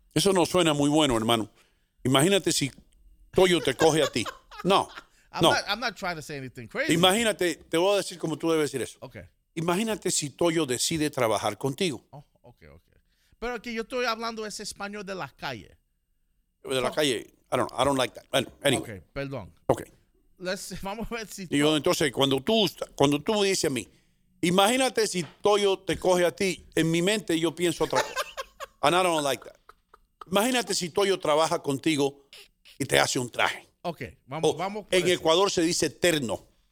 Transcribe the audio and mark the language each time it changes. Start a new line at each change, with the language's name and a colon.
Spanish: Eso no suena muy bueno, hermano. Imagínate si Toyo te coge a ti. No.
English: I'm not trying to say anything crazy.
Spanish: Imagínate, te voy a decir como tú debes decir eso.
English: Okay.
Spanish: Imagínate si Toyo decide trabajar contigo.
English: Oh, okay, okay.
Spanish: Pero que yo estoy hablando ese español de la calle. De la calle.
English: I don't like that. Anyway.
Spanish: Okay, perdón.
English: Okay.
Spanish: vamos a ver si. Digo, entonces, cuando tú me dices a mí, imagínate si Toyo te coge a ti, en mi mente yo pienso otra cosa.
English: And I don't like that.
Spanish: Imagínate si Toyo trabaja contigo y te hace un traje. Ok, vamos. En eso. Ecuador se dice terno.